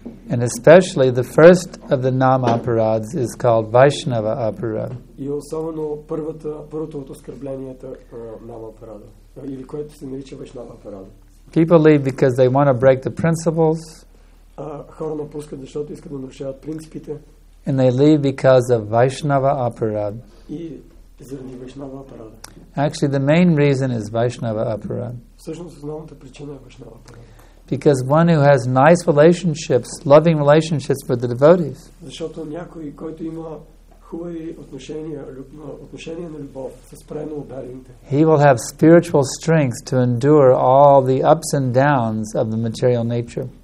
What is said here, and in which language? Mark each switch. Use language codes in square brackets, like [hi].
[en] And especially the first of the nam aparads is called Vaishnava aparad. [bg] И особено първото от оскърбленията нам апарада, или което се нарича Вайшнава апарада. [en] People leave because they want to break the principles. [bg] Хора напускат, защото искат да нарушават принципите. [en] And they leave because of Vaishnava aparad. [bg] И заради Вайшнава апарада. [en] Actually, the main reason is Vaishnava aparad. [bg] Всъщност основната причина е Вайшнава апарада. [en] Because one who has nice relationships, loving relationships with the devotees. [bg] Защото някой, който има хубави отношения на любов с прено обярените. [en] He will have spiritual strength to endure all the ups and downs of the material nature.